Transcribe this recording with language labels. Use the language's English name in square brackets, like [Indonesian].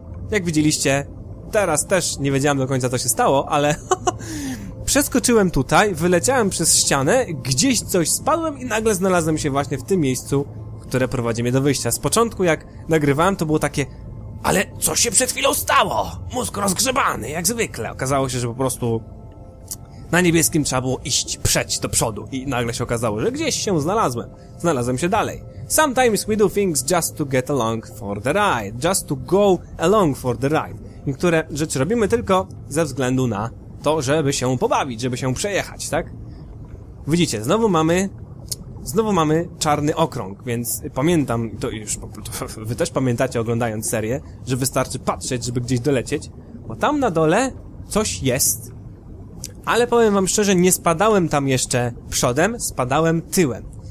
[Polish] Jak widzieliście, teraz też nie wiedziałem do końca, co się stało, ale przeskoczyłem tutaj, wyleciałem przez ścianę, gdzieś coś spadłem i nagle znalazłem się właśnie w tym miejscu, które prowadzi mnie do wyjścia. Z początku, jak nagrywałem, to było takie, ale co się przed chwilą stało? Mózg rozgrzebany, jak zwykle. Okazało się, że po prostu na niebieskim trzeba było iść przeć do przodu i nagle się okazało, że gdzieś się znalazłem. Znalazłem się dalej. [English] Sometimes we do things just to get along for the ride. Just to go along for the ride. [Polish] Niektóre rzeczy robimy tylko ze względu na to, żeby się pobawić, żeby się przejechać, tak? Widzicie, znowu mamy czarny okrąg, więc pamiętam, to już wy też pamiętacie oglądając serię, że wystarczy patrzeć, żeby gdzieś dolecieć, bo tam na dole coś jest, ale powiem wam szczerze, nie spadałem tam jeszcze przodem, spadałem tyłem.